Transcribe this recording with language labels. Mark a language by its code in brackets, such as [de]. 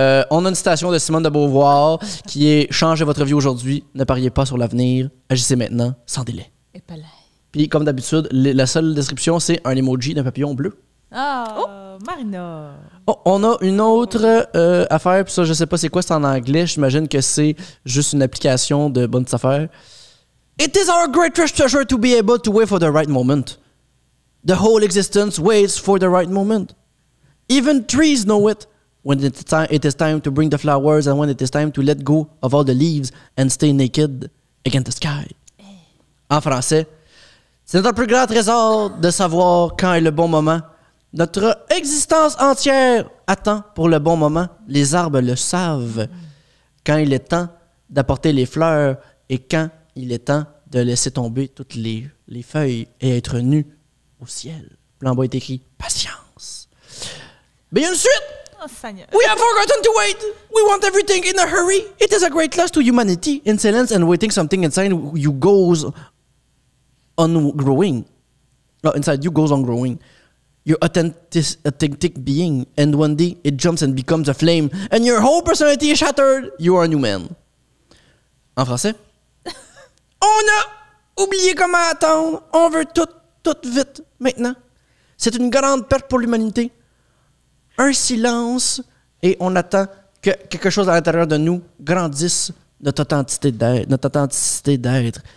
[fr] On a une citation de Simone de Beauvoir qui est: changez votre vie aujourd'hui, ne pariez pas sur l'avenir, agissez maintenant, sans délai. Puis, comme d'habitude, la seule description, c'est un emoji d'un papillon bleu. Oh, oh. Marina! Oh, on a une autre affaire, puis ça, je sais pas c'est quoi, c'est en anglais, j'imagine que c'est juste une application de bonnes affaires. [en] It is our greatest treasure to be able to wait for the right moment. The whole existence waits for the right moment. Even trees know it. When it is time to bring the flowers and when it is time to let go of all the leaves and stay naked against the sky. [fr] En français, c'est notre plus grand trésor de savoir quand est le bon moment. Notre existence entière attend pour le bon moment. Les arbres le savent. Quand il est temps d'apporter les fleurs et quand il est temps de laisser tomber toutes les feuilles et être nu au ciel. Puis en bas est écrit « Patience ». Mais il y a une suite! Oh, [en] we have forgotten to wait. We want everything in a hurry. It is a great loss to humanity. Insolence and waiting something inside you goes on growing. Inside you goes on growing. Your authentic being. And one day it jumps and becomes a flame. And your whole personality is shattered. You are a new man. [fr] En français. On a oublié comment attendre. On veut tout vite maintenant. C'est une grande perte pour l'humanité. Un silence et on attend que quelque chose à l'intérieur de nous grandisse notre authenticité d'être.